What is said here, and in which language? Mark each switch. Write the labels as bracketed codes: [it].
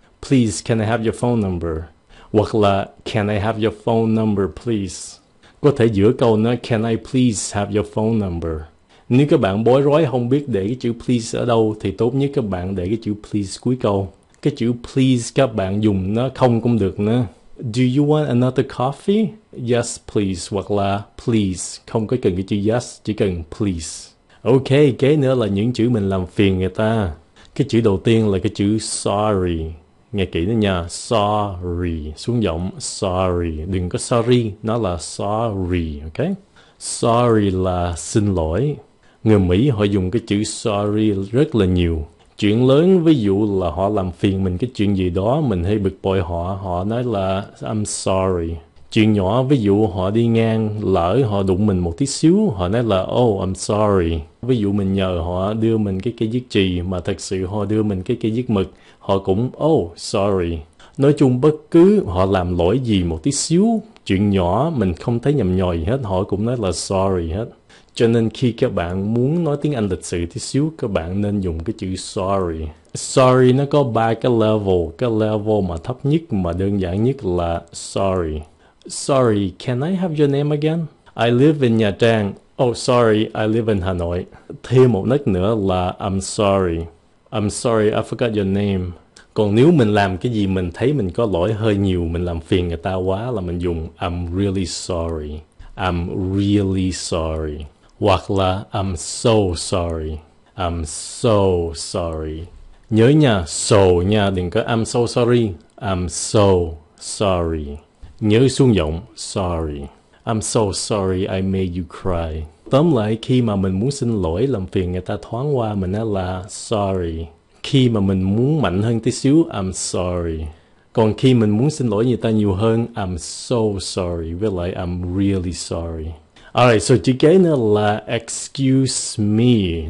[en] Please can I have your phone number? [vi] Hoặc là [en] can I have your phone number please? [vi] Có thể giữa câu nó [en] can I please have your phone number? [vi] Nếu các bạn bối rối không biết để cái chữ please ở đâu thì tốt nhất các bạn để cái chữ please cuối câu. Cái chữ please các bạn dùng nó không cũng được nữa. [en] Do you want another coffee? Yes, please. [vi] Hoặc là [en] please. [vi] Không có cần cái chữ yes, chỉ cần please. Ok, kế nữa là những chữ mình làm phiền người ta. Cái chữ đầu tiên là cái chữ sorry. Nghe kỹ nữa nha. Sorry. Xuống giọng sorry. Đừng có sorry. Nó là sorry. Ok? Sorry là xin lỗi. Người Mỹ họ dùng cái chữ sorry rất là nhiều. Chuyện lớn, ví dụ là họ làm phiền mình cái chuyện gì đó, mình hay bực bội họ, họ nói là [en] I'm sorry. [vi] Chuyện nhỏ, ví dụ họ đi ngang, lỡ họ đụng mình một tí xíu, họ nói là [en] oh, I'm sorry. [vi] Ví dụ mình nhờ họ đưa mình cái cây viết chì, mà thật sự họ đưa mình cái cây viết mực, họ cũng [en] oh, sorry. [vi] Nói chung bất cứ họ làm lỗi gì một tí xíu, chuyện nhỏ mình không thấy nhầm nhòi hết, họ cũng nói là sorry hết. Cho nên khi các bạn muốn nói tiếng Anh lịch sự tí xíu, các bạn nên dùng cái chữ sorry. Sorry nó có ba cái level. Cái level mà thấp nhất mà đơn giản nhất là sorry. [en] Sorry, can I have your name again? I live in Nha Trang. Oh, sorry, I live in Hà Nội. [vi] Thêm một nấc nữa là I'm sorry. [en] I'm sorry, I forgot your name. [vi] Còn nếu mình làm cái gì mình thấy mình có lỗi hơi nhiều, mình làm phiền người ta quá là mình dùng [en] I'm really sorry. I'm really sorry. [vi] Hoặc là [en] I'm so sorry. I'm so sorry. [vi] Nhớ nha, so nha, đừng có [en] I'm so sorry. I'm so sorry. [vi] Nhớ xuống giọng, [en] sorry. I'm so sorry I made you cry. [vi] Tóm lại khi mà mình muốn xin lỗi, làm phiền người ta thoáng qua, mình nói là sorry. Khi mà mình muốn mạnh hơn tí xíu, [en] I'm sorry. [vi] Còn khi mình muốn xin lỗi người ta nhiều hơn, [en] I'm so sorry. [vi] Với lại [en] I'm really sorry. Alright, so [vi] chữ kế nữa là excuse me.